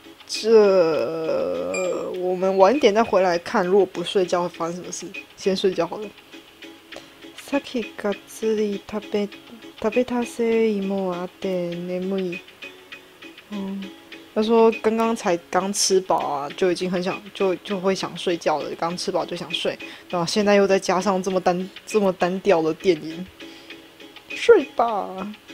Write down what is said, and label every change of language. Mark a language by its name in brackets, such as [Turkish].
[Chinese] 这我们晚点再回来看，如果不睡觉会发生什么事，先睡觉好了。 [Japanese] さっきがっつり食べたせいもあって眠い。 [Chinese] 他说刚刚才刚吃饱啊，就已经很想就会想睡觉了，刚吃饱就想睡，然后现在又再加上这么单调的电影，睡吧。